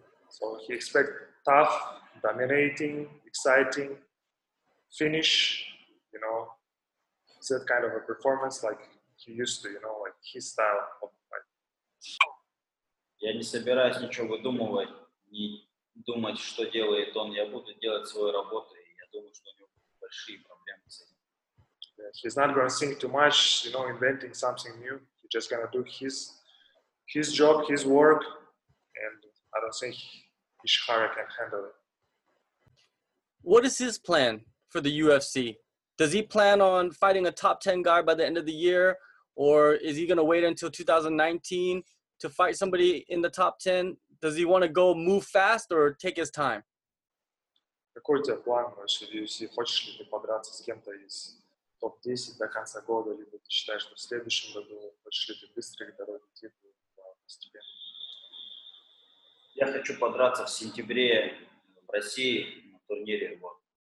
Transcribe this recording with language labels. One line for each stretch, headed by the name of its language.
English: So he expects tough, dominating, exciting finish, that kind of a performance like he used to, like his style of fight.
Russian: Я не собираюсь ничего выдумывать, не думать, что делает он. Я буду делать свою работу, и я думаю, что у него большие проблемы с этим.
English: He's not going to think too much, inventing something new. He's just going to do his job, his work, and I don't think Ishihara can handle it. What is his plan for the UFC? Does he plan on fighting a top 10 guy by the end of the year, or is he going to wait until 2019 to fight somebody in the top 10? Does he want to go move fast or take his time?
Russian: Какой у тебя план вообще в UFC? Хочешь ли ты подраться с кем-то из топ-10 до конца года, либо ты считаешь, что в следующем году хочешь ли ты быстрее дороги титул постепенно? Я хочу подраться в сентябре в России на турнире. Вот.